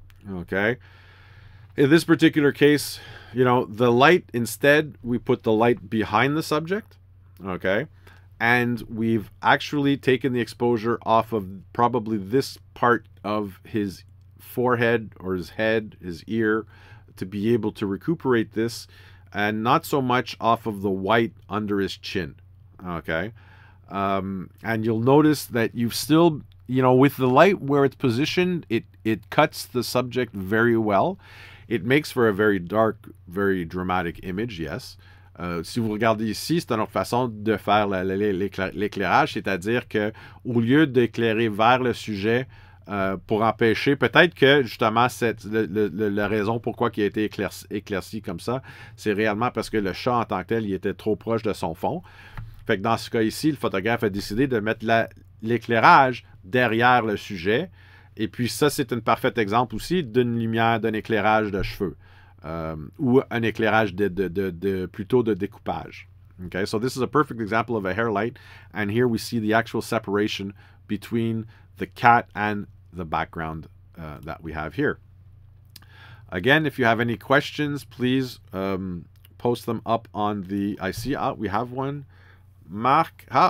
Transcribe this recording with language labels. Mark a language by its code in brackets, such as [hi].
[en] okay, in this particular case, you know, the light, instead we put the light behind the subject, okay, and we've actually taken the exposure off of probably this part of his forehead or his head, his ear, to be able to recuperate this, and not so much off of the white under his chin, okay? And you'll notice that you've still, you know, with the light where it's positioned, it cuts the subject very well. It makes for a very dark, very dramatic image, yes. [fr] Si vous regardez ici, c'est une autre façon de faire l'éclairage, c'est-à-dire que au lieu d'éclairer vers le sujet pour empêcher, peut-être que justement la raison pourquoi il a été éclairci comme ça, c'est réellement parce que le chat en tant que tel, il était trop proche de son fond. Fait que dans ce cas ici, le photographe a décidé de mettre l'éclairage derrière le sujet. Et puis ça, c'est un parfait exemple aussi d'une lumière, d'un éclairage de cheveux. Ou un éclairage de plutôt de découpage. [en] Okay, so this is a perfect example of a hair light, and here we see the actual separation between the cat and the background that we have here. Again, if you have any questions, please post them up on the. I see we have one. Marc.